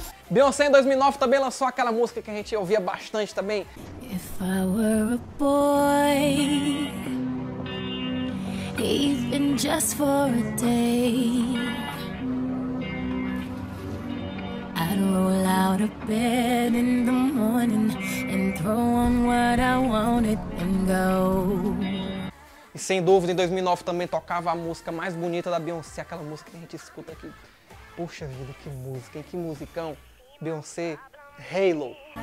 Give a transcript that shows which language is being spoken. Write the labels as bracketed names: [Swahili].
[Portuguese] Beyoncé em 2009 também lançou aquela música que a gente ouvia bastante também. [English] If I were a boy, even just for a day, I'd roll out of bed in the morning and throw on what I wanted and go. [Portuguese] E sem dúvida em 2009 também tocava a música mais bonita da Beyoncé, aquela música que a gente escuta aqui. Puxa vida, que música, hein? Que musicão. Beyoncé, Halo.